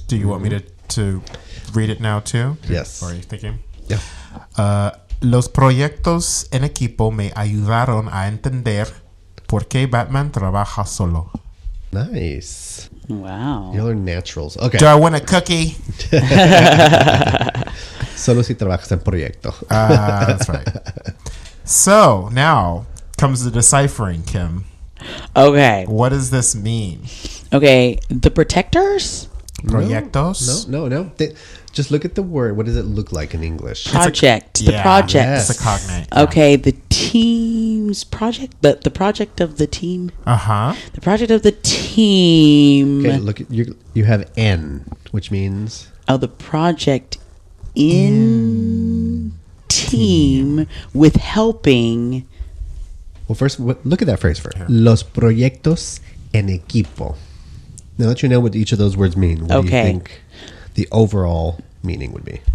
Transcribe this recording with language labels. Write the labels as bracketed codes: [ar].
[en] Do you want me to read it now too? Yes. Or are you thinking? Yeah. [es] Los proyectos en equipo me ayudaron a entender por qué Batman trabaja solo. [en] Nice. Wow. Y'all are naturals. Okay. Do I want a cookie? [es] Solo si trabajas en proyecto. [en] That's right. So, now comes the deciphering, Kim. Okay. What does this mean? Okay. The protectors? [es] Proyectos? [en] No. Just look at the word. What does it look like in English? Project. The project. It's a cognate. Okay. Yeah. The team's project. But the project of the team. Uh-huh. The project of the team. Okay. Look. You have N, which means? Oh, the project in team with helping. Well, first, look at that phrase first. Yeah. [es] Los proyectos en equipo. [en] Now that you know what each of those words mean, what do you think the overall meaning would be?